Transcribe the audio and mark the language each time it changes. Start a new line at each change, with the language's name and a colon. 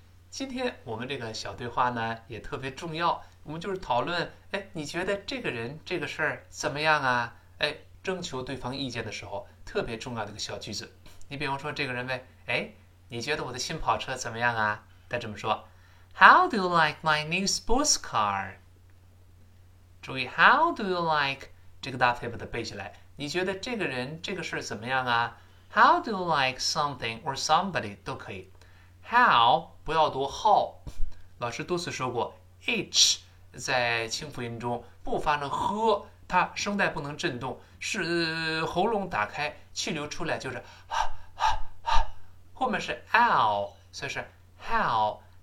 Chinese: 今天我们这个小对话呢也特别重要，我们就是讨论，哎，你觉得这个人这个事儿怎么样啊？哎，征求对方意见的时候特别重要的一个小句子。你比方说这个人呗，哎，你觉得我的新跑车怎么样啊？他这么说，
English: How do you like my new sports car？
Chinese: 注意，
English: How do you like
Chinese: 这个搭配把它背下来。你觉得这个人这个事儿怎么样啊？
English: How do you like something or somebody
Chinese: 都可以。 How 不要读 how，老师多次说过，h 在清辅音中不发成 h，它声带不能振动，是喉咙打开，气流出来就是后面是 l，所以是 how。